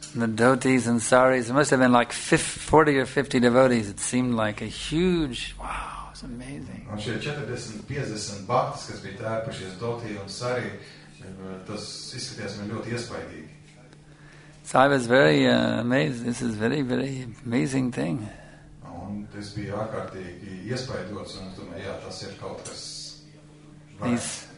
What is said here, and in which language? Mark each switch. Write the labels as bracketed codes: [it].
[en] The devotees and saris, it must have been like 40 or 50 devotees. It seemed like a huge, wow, it's amazing. [lv] Un šie 40, 50 bhaktas, kas bija tērpušies doti un sari, tas izskatījās man ļoti iespaidīgi. [en] So I was very amazed. This is very, very amazing thing. [lv] Un tas bija ārkārtīgi iespaidots. Un es domāju, jā, tas ir kaut kas.